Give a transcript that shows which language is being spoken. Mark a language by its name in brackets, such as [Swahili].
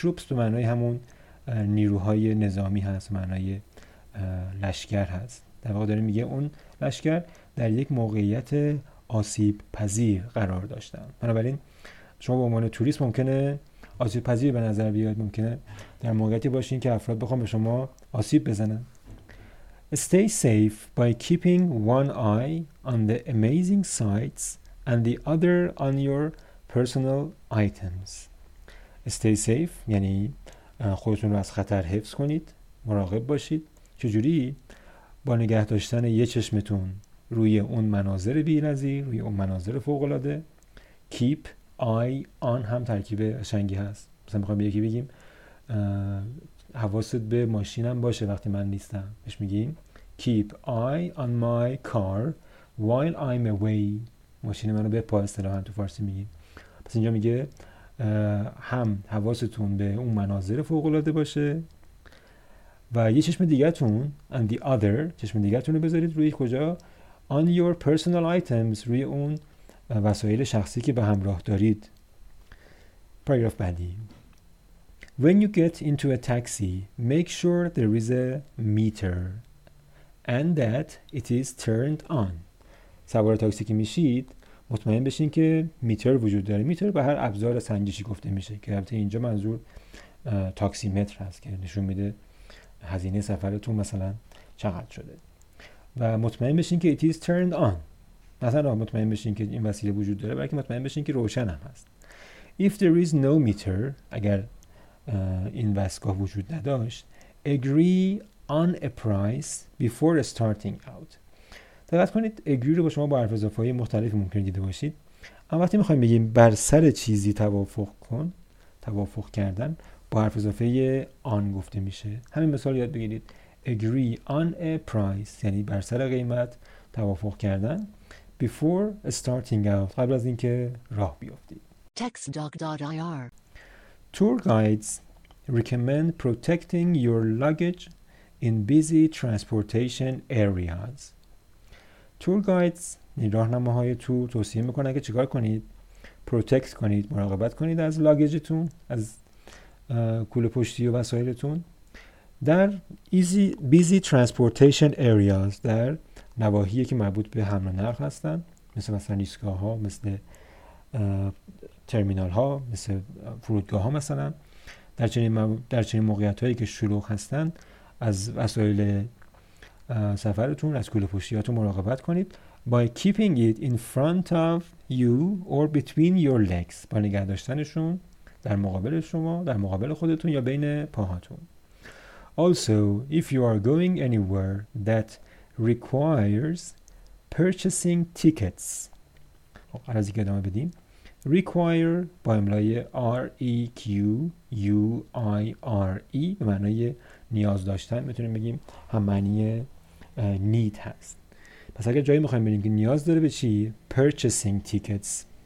[Persian] Troops به معنای همون نیروهای نظامی هست, معنای لشکر هست. در واقع داره میگه اون لشکر در یک موقعیت آسیب پذیر قرار داشتن. بنابراین شما به عنوان توریست ممکنه آسیب پذیر به نظر بیاد, ممکنه در موقعیتی باشین که افراد بخوان به شما آسیب بزنن. [English] Stay safe by keeping one eye on the amazing sights and the other on your personal items. [Persian] Stay safe یعنی خودتون رو از خطر حفظ کنید, مراقب باشید. چجوری؟ با نگه داشتن یه چشمتون روی اون مناظر بی‌نظیر, روی اون مناظر فوق‌العاده. [English] Keep eye on هم ترکیب شنگی هست. مثلا میخوایم یکی بگیم حواست به ماشینم باشه وقتی من نیستم, بهش میگیم Keep eye on my car while I'm away. [Persian] ماشین منو به پا, اصطلاحا تو فارسی میگیم. پس اینجا میگه هم حواستون به اون مناظر فوق‌العاده باشه و یه چشم دیگه‌تون, [English] and the other, [Persian] چشم دیگه‌تون رو بذارید روی کجا؟ [English] On your personal items, [Persian] روی اون وسایل شخصی که به همراه دارید. پاراگراف بعدی. [English] When you get into a taxi, make sure there is a meter and that it is turned on. [Persian] سوار تاکسی که میشید مطمئن بشین که میتر وجود داره. میتر به هر ابزار سنجشی گفته میشه که البته اینجا منظور تاکسی متر هست که نشون میده هزینه سفرتون مثلا چقدر شده. و مطمئن بشین که [English] it is turned on. [Persian] مثلا مطمئن بشین که این وسیله وجود داره, بلکه مطمئن بشین که روشن هم هست. [English] If there is no meter, [Persian] اگر این دستگاه وجود نداشت, [English] agree on a price before starting out. [Persian] دقت کنید agree رو با شما با حرف اضافه‌های مختلف ممکن دیده باشید. اما وقتی می‌خوایم بگیم بر سر چیزی توافق کن, توافق کردن, با حرف اضافه on گفته میشه. همین مثال یاد بگیرید. [English] Agree on a price [Persian] یعنی بر سر قیمت توافق کردن. [English] Before starting out, [Persian] قبل از اینکه راه بیافتید. textdoc.ir [English] Tour guides recommend protecting your luggage in busy transportation areas. Tour guides, [Persian] راهنماهای تور توصیه میکنن که چیکار کنید؟ Protect کنید, مراقبت کنید از لگژتون, از کوله پشتی و وسایلتون در [English] busy transportation areas, [Persian] در نواحی که مربوط به حمل و نقل هستن, مثل مثلا ایستگاه ها, مثل ترمینال ها, مثل فرودگاه ها. مثلا در چنین موقعیت هایی که شلوغ هستن از وسایل سفرتون, از کوله پشتی هاتون مراقبت کنید. [English] By keeping it in front of you or between your legs, [Persian] با نگه داشتنشون در مقابل شما, در مقابل خودتون یا بین پاهاتون. [English] Also, if you are going anywhere that requires purchasing tickets. [Persian] حالا از اینکه ادامه بدیم. Require با املای R-E-Q-U-I-R-E به معنای نیاز داشتن میتونیم بگیم, هم معنی need هست. پس اگر جایی میخواییم بریم که نیاز داره به چی؟ [English] Purchasing tickets.